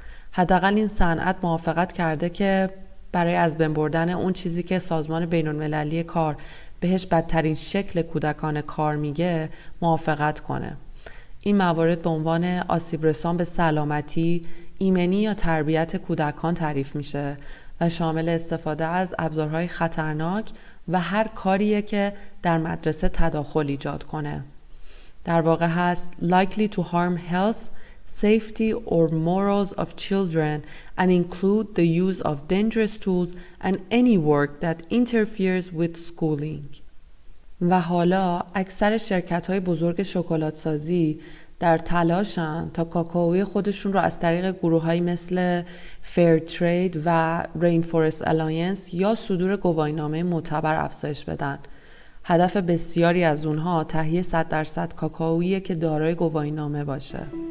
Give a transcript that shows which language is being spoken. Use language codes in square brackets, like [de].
[fa] حداقل این صنعت موافقت کرده که برای از بین بردن اون چیزی که سازمان بین‌المللی کار بهش بدترین شکل کودکان کار میگه موافقت کنه. این موارد به عنوان آسیب رسان به سلامتی، ایمنی یا تربیت کودکان تعریف میشه و شامل استفاده از ابزارهای خطرناک و هر کاریه که در مدرسه تداخل ایجاد کنه. در واقع هست [en] likely to harm health, safety or morals of children and include the use of dangerous tools and any work that interferes with schooling. [fa] و حالا اکثر شرکت‌های بزرگ شکلات سازی در تلاشن تا کاکائوی خودشون رو از طریق گروه‌های مثل Fair Trade و Rainforest Alliance یا صدور گواهینامه معتبر افزایش بدن. هدف بسیاری از اونها تهیه 100% کاکائویه که دارای گواهینامه باشه.